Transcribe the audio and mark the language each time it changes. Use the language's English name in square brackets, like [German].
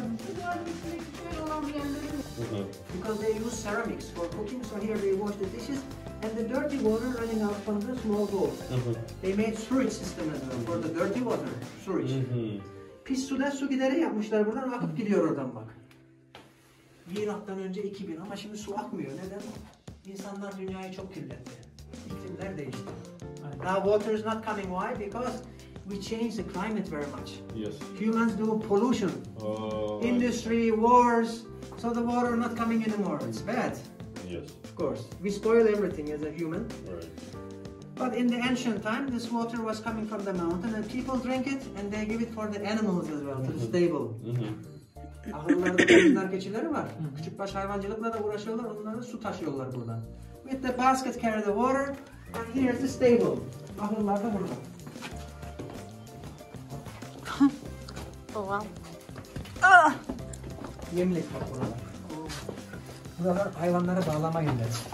[English] Because they use ceramics for cooking, so here they wash the dishes and the dirty water running out from the small bowl. They made sewage system as well for the dirty water, sewage. [Turkish] Pis sudan su gideri yapmışlar buradan, akıp gidiyor oradan bak. Milattan önce 2000 ama şimdi su akmıyor. Neden? İnsanlar dünyayı çok kirletti. İklimler değişti. [English] Now water is not coming. Why? Because we change the climate very much. Yes. Humans do pollution. Oh, industry, wars. So the water not coming anymore. It's bad. Yes. Of course. We spoil everything as a human. Right. But in the ancient time, this water was coming from the mountain and people drink it and they give it for the animals as well, to the stable. [Turkish] Ahırlarda koyunlar, keçileri var. Küçükbaş hayvancılıkla da uğraşıyorlar, onlara su taşıyorlar buradan. [English] With the basket carry the water and here's the stable. [Turkish] Ahırlarda burada. [English] Oh, wow. [Turkish] Yemlik bak buralar. Buralar hayvanlara bağlama yerleri.